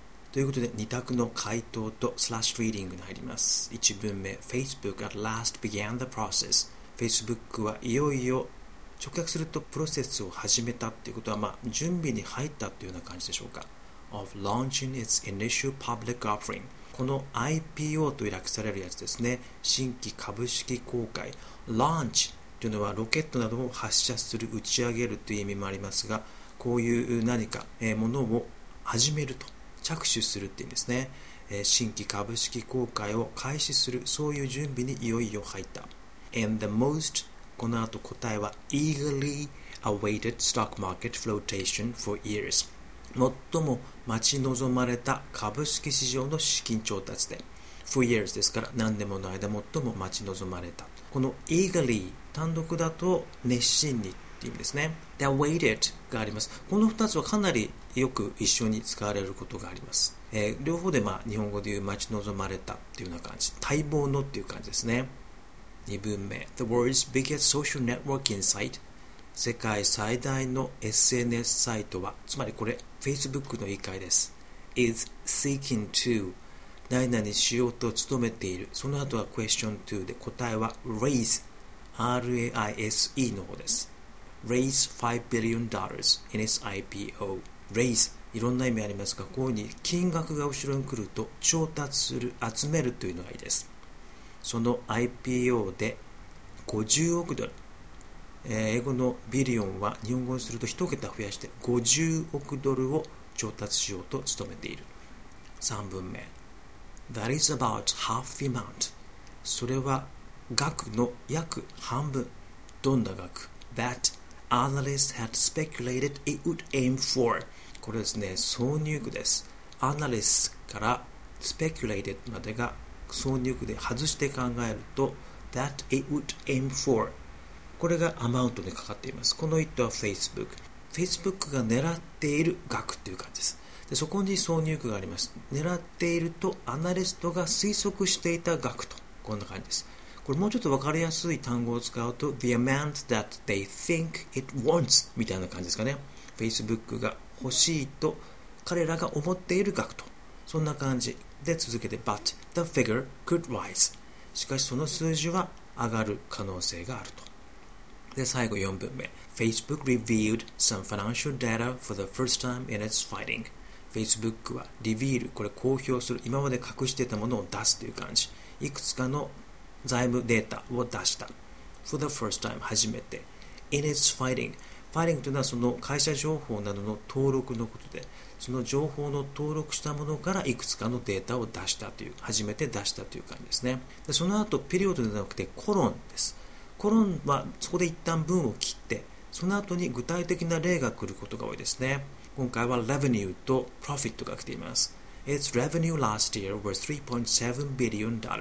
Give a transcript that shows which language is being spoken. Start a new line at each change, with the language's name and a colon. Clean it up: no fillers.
Japanese: ということで、二択の回答とスラッシュリーディングに入ります。一文目、
English: Facebook at last began the process.
Japanese: Facebook はいよいよ、直訳するとプロセスを始めたということは、まあ、準備に入ったというような感じでしょうか。
English: Of launching its initial public offering.
Japanese: この IPO と略されるやつですね。新規株式公開。 Launch というのはロケットなどを発射する、打ち上げるという意味もありますが、こういう何か、ものを始めると。着手するって言うんですね。新規株式公開を開始する、そういう準備にいよいよ入った。
English: And the most,
Japanese: この後答えは
English: eagerly awaited stock market flotation for years.
Japanese: 最も待ち望まれた株式市場の資金調達で。 For years ですから、何年もの間最も待ち望まれた。この eagerly 単独だと熱心にっていう意味ですね。 The awaited があります。この2つはかなりよく一緒に使われることがあります。両方で、まあ、日本語で言う待ち望まれたっていうような感じ。待望のっていう感じですね。 2文目。
English: The world's biggest social networking site.
Japanese: 世界最大の SNS サイトは、つまりこれ、Facebook の言い換えです。
English: is seeking to
Japanese: 何々しようと努めている。その後は question to で答えは raise。 R-A-I-S-E の方です。
English: Raise $5 billion in its IPO.
Japanese: Raise いろんな意味ありますが、こういうふうに金額が後ろに来ると調達する、集めるというのがいいです。その IPO で50億ドル、英語のビリオンは日本語にすると1桁増やして50億ドルを調達しようと努めている。 3文目。
English: That is about half the amount.
Japanese: それは額の約半分。どんな額？
English: That analysts had speculated it would aim for.
Japanese: これですね、挿入句です。Analysts から speculated までが挿入句で外して考えると
English: that it would aim for.
Japanese: これが amount にかかっています。この意図は Facebook。Facebook が狙っている額という感じです。でそこに挿入句があります。狙っているとアナリストが推測していた額と。こんな感じです。これもうちょっとわかりやすい単語を使うと
English: The amount that they think it wants
Japanese: みたいな感じですかね。 Facebook が欲しいと彼らが思っている額と、そんな感じで続けて
English: But the figure could rise、
Japanese: しかしその数字は上がる可能性があると。で最後4文目。
English: Facebook revealed some financial data for the first time in its filing。
Japanese: Facebook はリビール、これ公表する、今まで隠していたものを出すという感じ。いくつかの財務データを出した。
English: For the first time、 初めて。 In its filing、
Japanese: filing というのはその会社情報などの登録のことで、その情報の登録したものからいくつかのデータを出したという、初めて出したという感じですね。でその後ピリオドではなくてコロンです。コロンはそこで一旦文を切って、その後に具体的な例が来ることが多いですね。今回は revenue と profit が来ています。
English: Its revenue last year was $3.7 billion。